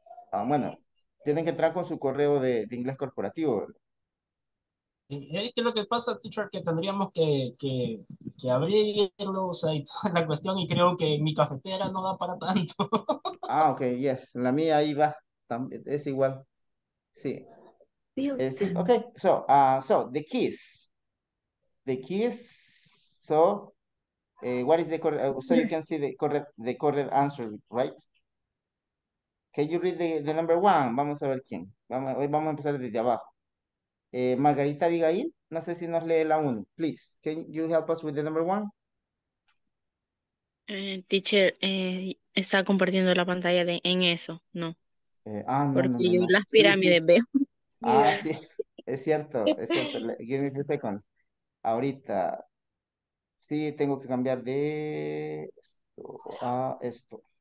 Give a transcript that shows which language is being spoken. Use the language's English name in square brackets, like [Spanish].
[Spanish] Bueno, tienen que entrar con su correo de inglés corporativo. Que lo que pasa, teacher, que tendríamos que abrirlo, o sea, y toda la cuestión, y creo que mi cafetera no da para tanto. Ah, ok, yes, la mía ahí va, es igual, sí. Sí. [English] Ok, so, so, the keys, so, what is the correct, so you can see the correct answer, right? Can you read the number one? [Spanish] Vamos a ver quién, vamos a empezar desde abajo. Margarita Abigail, no sé si nos lee la uno. [English] Please, can you help us with the number one? [Spanish] Teacher, está compartiendo la pantalla de en eso, no. No. Porque yo no. Las pirámides sí, sí. Veo. Ah, sí, es cierto. [English] Give me a few seconds. [Spanish] Ahorita, sí, tengo que cambiar de esto a esto.